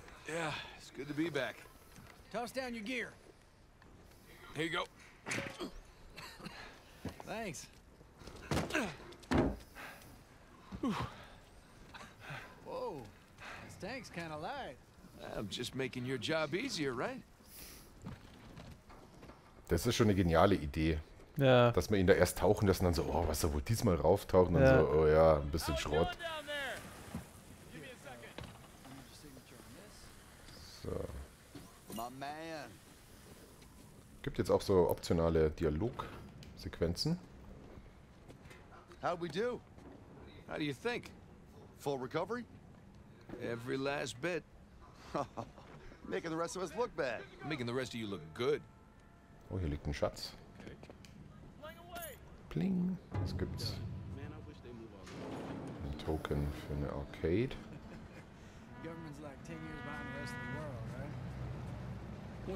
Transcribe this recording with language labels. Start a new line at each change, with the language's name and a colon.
English: Yeah, it's good to be back. Toss down your gear. Here you go. Thanks. Whoa, this tank's kind of light. I'm just making your job easier, right?
German: Das ist schon eine geniale Idee. Ja. Dass man ihn da erst tauchen lässt und dann so, oh, was soll wohl diesmal rauftauchen? Ja. Und dann so, oh ja, ein bisschen Schrott. Es gibt jetzt auch so optionale Dialogsequenzen.
English: How'd we do? How do you think? Full recovery? Every last bit. Making the rest of us look bad. Making the rest of you look good.
German: Oh, hier liegt ein Schatz. Pling. Was gibt's? Ein Token für eine Arcade.
English: Government's like 10 years behind the rest of the world.